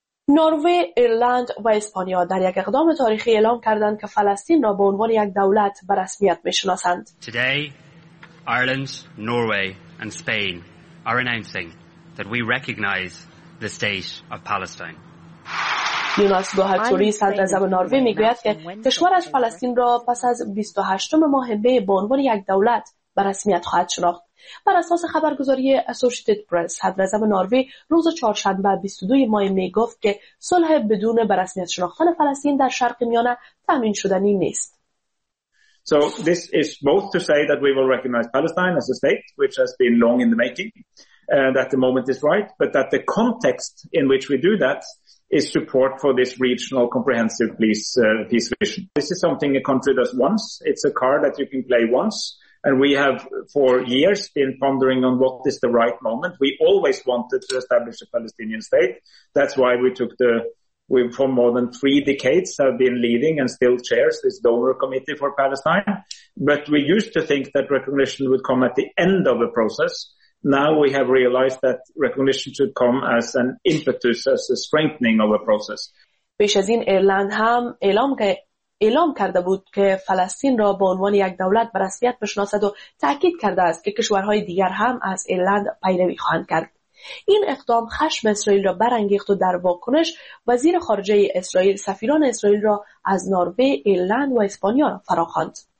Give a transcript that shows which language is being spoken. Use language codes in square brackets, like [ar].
[fa] نروژ، ایرلند و اسپانیا در یک اقدام تاریخی اعلام کردند که فلسطین را به عنوان یک دولت به رسمیت می‌شناسند. [en] Today, Ireland, Norway and Spain are announcing that we recognize the state of Palestine. [fa] یوناس گوهرتوری صدراعظم نروژ می‌گوید که کشورش فلسطین را پس از 28 ماه مه به عنوان یک دولت به رسمیت خواهد شناخت. بر اساس خبرگزاری اسوشیتد پرس، صدراعظم نروژ روز چهارشنبه 22 ماه می گفت که صلح بدون به رسمیت شناختن فلسطین در شرق میانه تضمین شدنی نیست. [en] So this is both to say that we will recognize Palestine as a state which has been long in the making and that the moment is right, but that the context in which we do that is support for this regional comprehensive peace vision. This is something a country does once, it's a card that you can play once. And we have for years been pondering on what is the right moment. We always wanted to establish a Palestinian state. That's why we for more than three decades have been leading and still chairs this donor committee for Palestine. But we used to think that recognition would come at the end of the process. Now we have realized that recognition should come as an impetus, as a strengthening of a process. [fa] پیش از این ایرلند هم اعلام کرده بود که فلسطین را به عنوان یک دولت به رسمیت بشناسد و تأکید کرده است که کشورهای دیگر هم از ایرلند پیروی خواهند کرد. این اقدام خشم اسرائیل را برانگیخت و در واکنش وزیر خارجه اسرائیل سفیران اسرائیل را از نروژ، ایرلند و اسپانیا را فراخواند.